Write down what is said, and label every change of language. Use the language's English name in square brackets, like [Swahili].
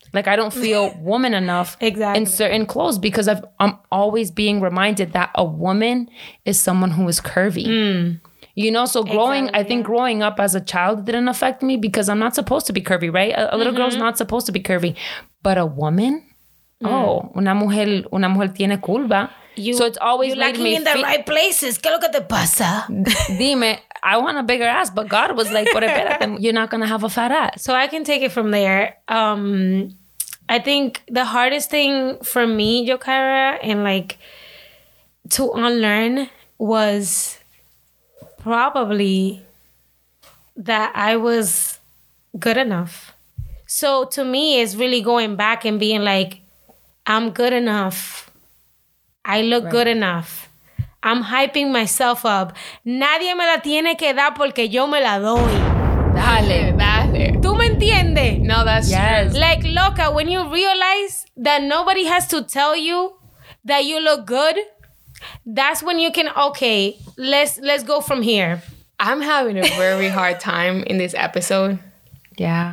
[English] Like I don't feel woman enough exactly. in certain clothes because I'm always being reminded that a woman is someone who is curvy. Mm. You know, so growing, exactly, I think growing up as a child didn't affect me because I'm not supposed to be curvy, right? A little mm-hmm. girl's not supposed to be curvy. But a woman? Mm. [Spanish] Oh, una mujer tiene curva. [English] You, so it's always like me. You're lacking in the right places. [Spanish] ¿Qué lo que te pasa? [English] Dime, I want a bigger ass, but God was like, [Spanish] por espérate, [English] you're not going to have a fat ass. So I can take it from there. I think the hardest thing for me, Yokaira, and like to unlearn was... probably that I was good enough. So to me, it's really going back and being like, I'm good enough. I look right. good enough. I'm hyping myself up. [Spanish] Nadie me la tiene que dar porque yo me la doy. Dale, dale. ¿Tú me entiendes? [English] No, that's yes. true. Like, loca, when you realize that nobody has to tell you that you look good, that's when you can, okay, let's go from here. I'm having a very hard time in this episode. Yeah.